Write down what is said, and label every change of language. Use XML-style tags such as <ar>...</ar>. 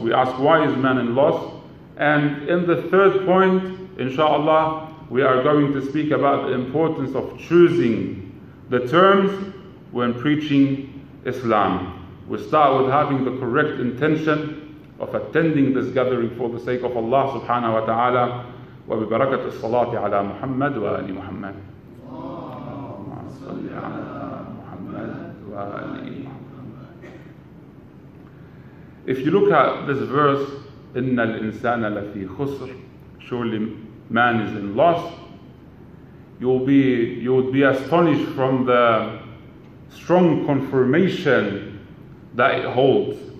<en>We ask, why is man in loss? And in the third point, inshallah, we are going to speak about the importance of choosing the terms when preaching Islam. We start with having the correct intention of attending this gathering for the sake of Allah subhanahu wa ta'ala.</en> <ar>وببركة الصلاة على محمد وآل محمد. اللهم صل على محمد وآل محمد.</ar> <en>If you look at this verse,</en> <ar>إِنَّ الْإِنسَانَ لَفِي خُسْرٍ,</ar> <en>surely man is in loss, you would be astonished from the strong confirmation that it holds.</en>